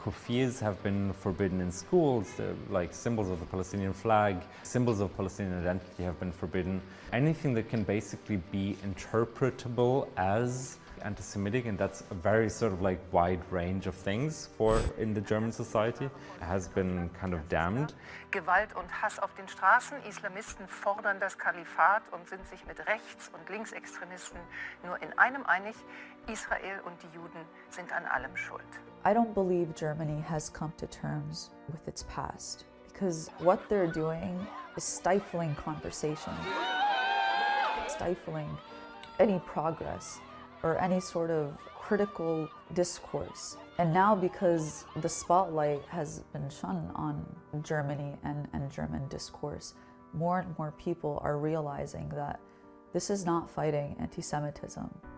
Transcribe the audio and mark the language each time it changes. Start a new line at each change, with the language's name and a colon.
English: Kufis have been forbidden in schools, like symbols of the Palestinian flag, symbols of Palestinian identity have been forbidden. Anything that can basically be interpretable as anti-Semitic, and that's a very sort of like wide range of things for in the German society, has been kind of damned.
German: Gewalt und Hass auf den Straßen, Islamisten fordern das Kalifat und sind sich mit Rechts- und Linksextremisten nur in einem einig, Israel und die Juden sind an allem schuld.
English: I don't believe Germany has come to terms with its past, because what they're doing is stifling conversation, stifling any progress or any sort of critical discourse. And now, because the spotlight has been shone on Germany and German discourse, more and more people are realizing that this is not fighting anti-Semitism.